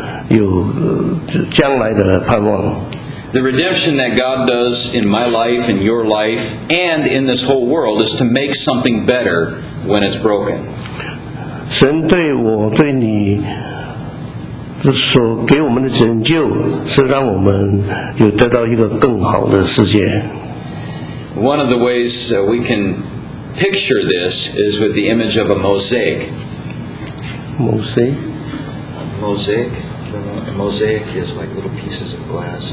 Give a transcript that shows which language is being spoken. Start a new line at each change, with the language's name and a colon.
Chinese: 这个不代表就是说你破碎的要把它重新做回，而是有将来的盼望。
English: The redemption that God does in my life, in your life, and in this whole world is to make something better when it's broken.
Chinese: 神对我对你所给我们的拯救是让我们有得到一个更好的世界。
English: One of the ways we can picture this is with the image of a mosaic. Mosaic? A mosaic is like little pieces of glass.